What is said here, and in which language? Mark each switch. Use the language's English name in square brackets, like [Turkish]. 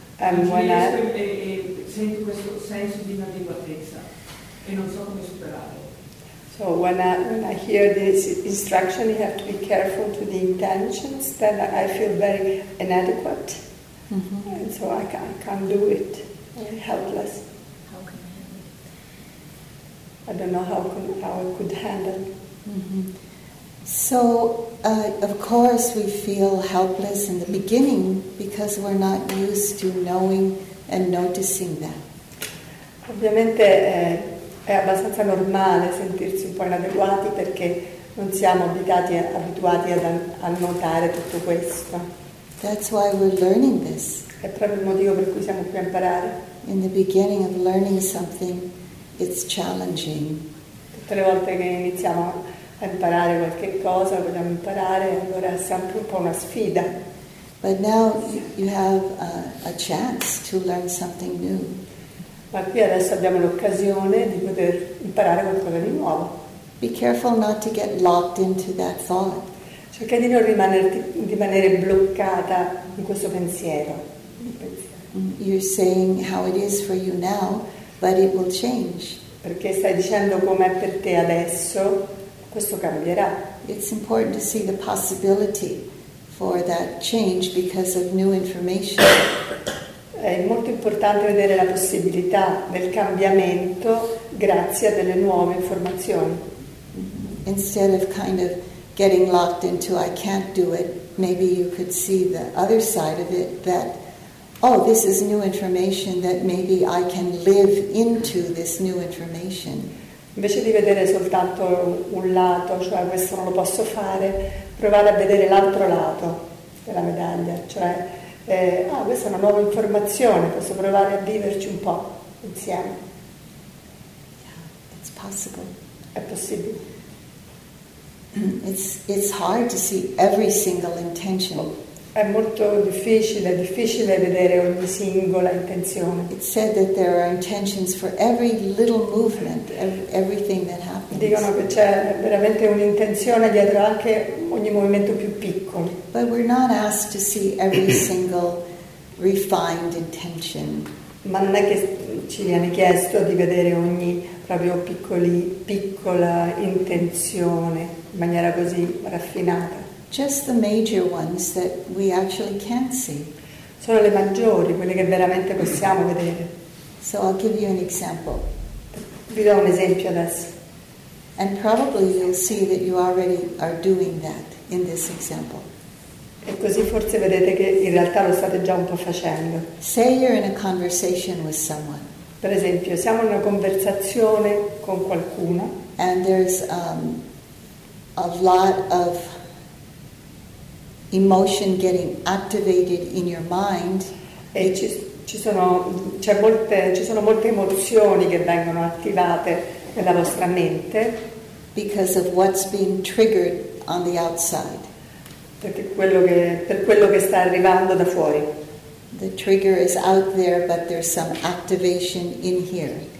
[Italian] Sento questo senso di inadeguatezza e non so come superarlo. [English] So when I hear this instruction, you have to be careful to the intentions, then I feel very inadequate. Mm-hmm. And so I can't do it. I'm helpless. How can I handle it? I don't know how I could handle it. Mm-hmm. So, of course, we feel helpless in the beginning because we're not used to knowing and noticing that. [Italian] Ovviamente, è abbastanza normale sentirsi un po' inadeguati perché non siamo abituati a notare tutto questo. [English] That's why we're learning this. [Italian] È proprio il motivo per cui siamo qui a imparare. [English] In the beginning of learning something, it's challenging. [Italian] Tutte le volte che iniziamo a imparare qualche cosa, vogliamo imparare, allora è sempre un po' una sfida. [English] But now you have a chance to learn something new. [Italian] Ma qui adesso abbiamo l'occasione di poter imparare qualcosa di nuovo. [English] Be careful not to get locked into that thought. [Italian] Cerca di non rimanere bloccata in questo pensiero. [English] You're saying how it is for you now, but it will change. [Italian] Perché stai dicendo com'è per te adesso, questo cambierà. [English] It's important to see the possibility for that change because of new information. [Italian] è molto importante vedere la possibilità del cambiamento grazie a delle nuove informazioni. [English] Instead of kind of getting locked into I can't do it, maybe you could see the other side of it, that oh, this is new information, that maybe I can live into this new information. [Italian] Invece di vedere soltanto un lato, cioè questo non lo posso fare, provare a vedere l'altro lato della medaglia, cioè questa è una nuova informazione, posso provare a viverci un po' insieme. [English] It's possible. [Italian] È possibile. [English] It's hard to see every single intention. [Italian] È molto difficile, vedere ogni singola intenzione. [English] It's said that there are intentions for every little movement, everything that happens. [Italian] Dicono che c'è veramente un'intenzione dietro anche ogni movimento più piccolo. [English] But we're not asked to see every single refined intention. [Italian] Ma non è che ci viene chiesto di vedere ogni proprio piccola intenzione in maniera così raffinata. [English] Just the major ones that we actually can see. [Italian] Sono le maggiori, quelle che veramente possiamo vedere. [English] So I'll give you an example. [Italian] Vi do un esempio adesso. [English] And probably you'll see that you already are doing that in this example. [Italian] E così forse vedete che in realtà lo state già un po' facendo. [English] Say you're in a conversation with someone. [Italian] Per esempio, siamo in una conversazione con qualcuno. [English] And there's a lot of emotion getting activated in your mind. [Italian] E ci sono molte emozioni che vengono attivate nella vostra mente. [English] Because of what's being triggered on the outside. [Italian] Per quello che sta arrivando da fuori. [English] The trigger is out there, but there's some activation in here.